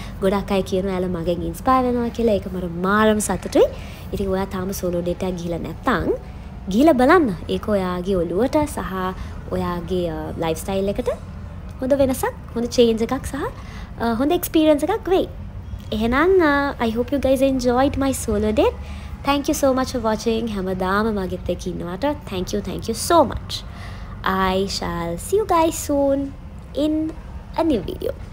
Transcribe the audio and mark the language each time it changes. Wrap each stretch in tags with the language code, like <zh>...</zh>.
<si>ගොඩක් අය කියනවා එයාලා මගෙන් ඉන්ස්පයර් වෙනවා කියලා. ඒක මට මාරම සතුටුයි. ඉතින් ඔයා තාම සෝලෝ ඩේට් එකක් ගිහිලා නැත්තම් ගිහිලා බලන්න. ඒක ඔයාගේ ඔළුවට සහ ඔයාගේ ලයිෆ් ස්ටයිල් එකට හොඳ වෙනසක්, හොඳ චේන්ජ් එකක් සහ හොඳ එක්ස්පීරියන්ස් එකක් වෙයි. එහෙනම්</si> <en>I hope you guys enjoyed my solo date. Thank you so much for watching.</en> <si>හැමදාම මගෙත් එක්ක ඉන්නවට</si> <en>thank you so much. I shall see you guys soon in a new video.</en>